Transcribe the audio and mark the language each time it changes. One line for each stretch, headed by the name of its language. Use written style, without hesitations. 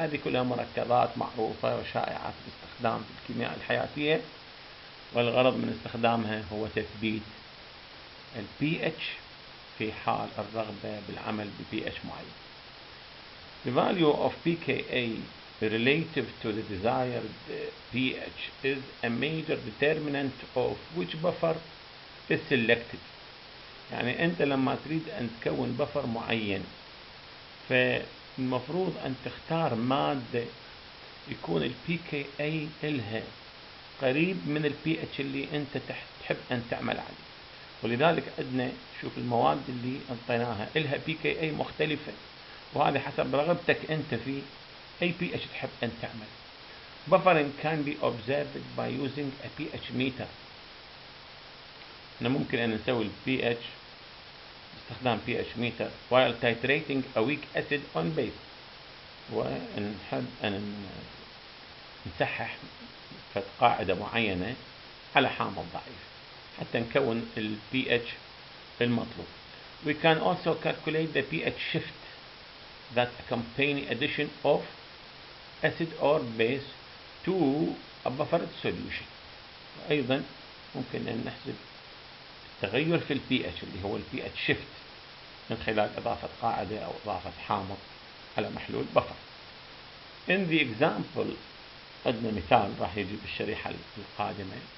Arabic: هذه كلها مركبات معروفة وشائعة في الاستخدام في الكيمياء الحياتية، والغرض من استخدامها هو تثبيت البي اتش في حال الرغبة بالعمل ببي اتش معين.
English: The value of PKA relative to the desired pH is a major determinant of which buffer is selected.
Arabic: يعني انت لما تريد ان تكون بفر معين، فالمفروض ان تختار مادة يكون الـ PKA لها قريب من الـ pH اللي انت تحب ان تعمل عليه. ولذلك عندنا، شوف المواد اللي انطيناها لها PKA مختلفة، وهذا حسب رغبتك انت في أي pH تحب أن تعمل.
English: Buffering can be observed by using a pH meter.
Arabic: أنا ممكن أن نسوي الـ pH باستخدام pH meter
English: while titrating a weak acid on base.
Arabic: ونحب أن نسحح فت قاعدة معينة على حامض ضعيف حتى نكون الـ pH المطلوب.
English: We can also calculate the pH shift that accompany addition of acid or base to a buffered solution.
Arabic: وأيضا ممكن أن نحسب تغير في الـ pH اللي هو الـ pH shift من خلال إضافة قاعدة أو إضافة حامض على محلول بفر.
English: In the example،
Arabic: عندنا مثال راح يجي بالشريحة القادمة.